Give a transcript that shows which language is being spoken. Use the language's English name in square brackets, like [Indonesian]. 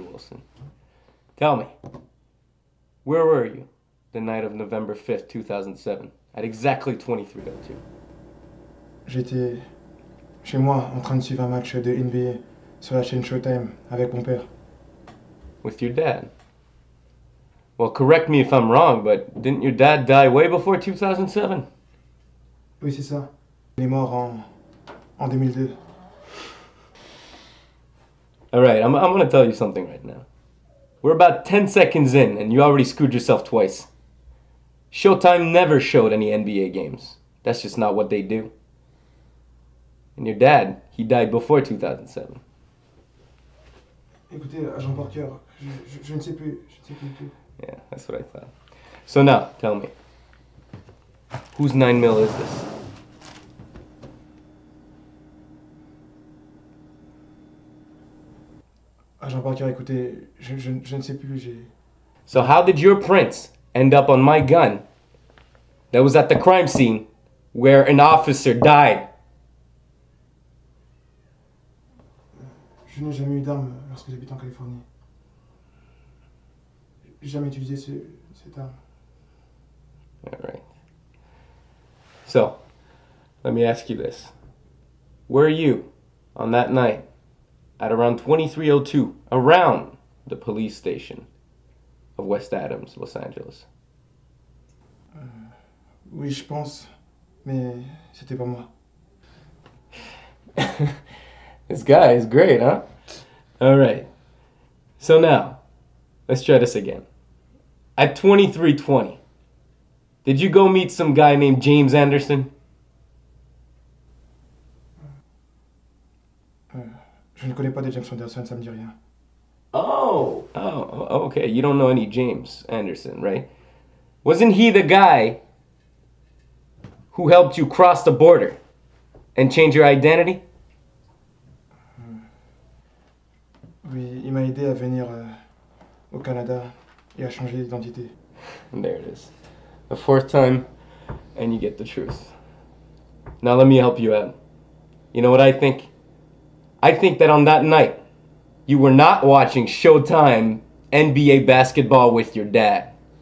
[English] Wilson, tell me, where were you the night of November 5th, 2007? at exactly 23:02. [French] J'étais chez moi en train de suivre un match de NBA sur la chaîne Showtime avec mon père. [English] With your dad? Well, correct me if I'm wrong, but didn't your dad die way before 2007? [French] Oui, c'est ça. Il est mort en 2002. [English] All right, I'm going to tell you something right now. We're about 10 seconds in, and you already screwed yourself twice. Showtime never showed any NBA games. That's just not what they do. And your dad, he died before 2007. [French] Écoutez, agent Parker, je ne sais plus. [English] Yeah, that's what I thought. So now, tell me. Whose 9 mil is this? [French] Agent Parker, écoutez, je ne sais plus, j'ai... [English] So how did your prints end up on my gun that was at the crime scene where an officer died? [French] Je n'ai jamais eu d'arme lorsque j'habite en Californie. J'ai jamais utilisé cette arme. [English] All right. So, let me ask you this. Were you on that night at around 23:02 around the police station of West Adams, Los Angeles? [French] Oui, je pense, mais c'était pas moi. [English] This guy is great, huh? All right. So now, let's try this again. At 23:20, did you go meet some guy named James Anderson? [French] Je ne connais pas de James Anderson, ça me dit rien. [English] Oh, okay. You don't know any James Anderson, right? Wasn't he the guy who helped you cross the border and change your identity? [French] Oui, il m'a aidé à venir au Canada et à changer d'identité. [English] And there it is. The fourth time, and you get the truth. Now let me help you out. You know what I think? I think that on that night, you were not watching Showtime NBA basketball with your dad.